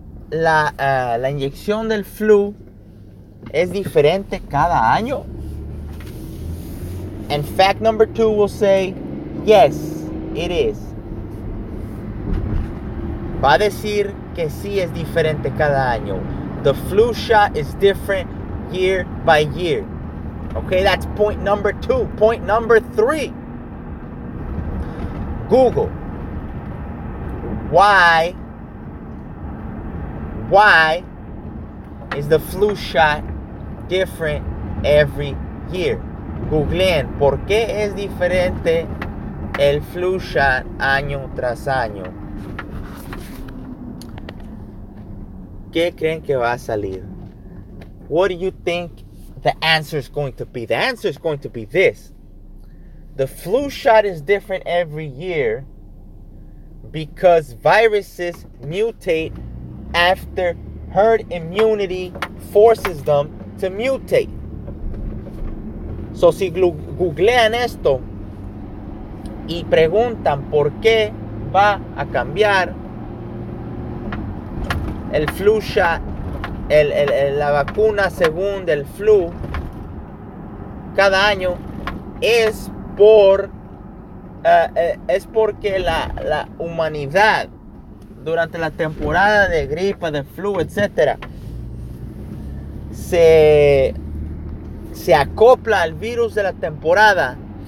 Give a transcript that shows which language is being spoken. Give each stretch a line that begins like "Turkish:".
Spanish: La inyección del flu es diferente cada año.
English: And fact number two will say, yes, it is.
Spanish: Va a decir que sí es diferente cada año.
English: The flu shot is different year by year. Okay, that's point number two. Point number three. Google. Why is the flu shot different every year?
Spanish: Googleen, ¿por qué es diferente el flu shot año tras año? ¿Qué creen que va a salir?
English: What do you think the answer is going to be? The answer is going to be this. The flu shot is different every year because viruses mutate after herd immunity forces them to mutate.
Spanish: So si googlean esto y preguntan por qué va a cambiar el flu shot, la vacuna según el flu cada año, es por es porque la humanidad durante la temporada de gripa, de flu, etcétera, se acopla al virus de la temporada.